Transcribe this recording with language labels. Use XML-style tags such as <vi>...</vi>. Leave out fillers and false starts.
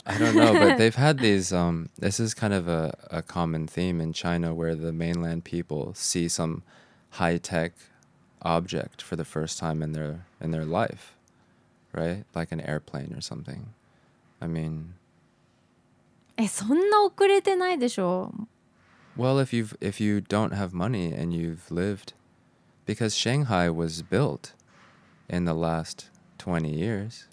<en>I don't know, but they've had these, this is kind of a common theme in China where the mainland people see some high-tech object for the first time in their life, right? Like an airplane or something. I mean...</en> <ja>そんな遅れてないでしょ。</ja> <en>Well, if you don't have money and you've lived, because Shanghai was built in the last 20 years.</en>